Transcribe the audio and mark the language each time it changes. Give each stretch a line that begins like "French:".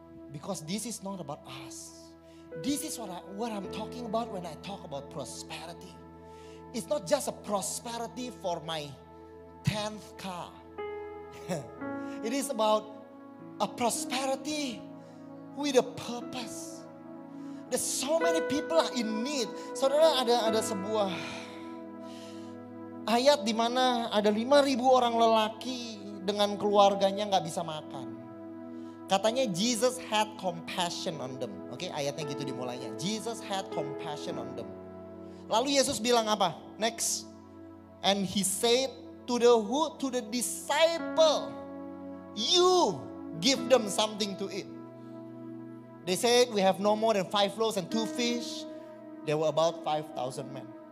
English: Because this is not about us. This is what I'm talking about when I talk about prosperity. It's not just a prosperity for my 10th car. It is about a prosperity with a purpose. There's so many people are in need.
Indonesian: Saudara, ada sebuah ayat di mana ada 5,000 orang lelaki dengan keluarganya enggak bisa makan. Katanya
English: Jesus had compassion on them.
Indonesian: Oke, ayatnya gitu dimulainya.
English: Jesus had compassion on them.
Indonesian: Lalu Yesus bilang apa?
English: Next. And he said to the disciple, you give them something to eat. They said we have no more than 5 loaves and 2 fish. There were about 5,000 men.